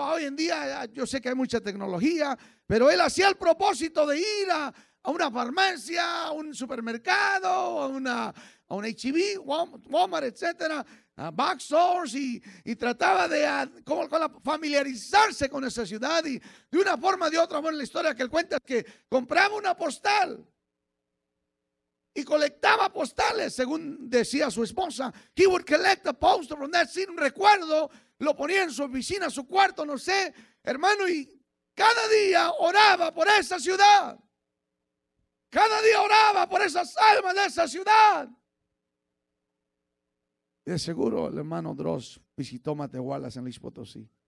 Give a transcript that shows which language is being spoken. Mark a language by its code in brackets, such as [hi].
[es] Hoy en día yo sé que hay mucha tecnología, pero él hacía el propósito de ir a una farmacia, a un supermercado, a un HEB, Walmart, etcétera, a Box Stores, y trataba de familiarizarse con esa ciudad, y de una forma o de otra. Bueno, la historia que él cuenta es que compraba una postal y colectaba postales, según decía su esposa. [en] He would collect a postal from that scene, [es] un recuerdo. Lo ponía en su oficina, su cuarto, no sé, hermano, y cada día oraba por esa ciudad. Cada día oraba por esas almas de esa ciudad. De seguro el hermano Dross visitó Matehuala, San Luis Potosí.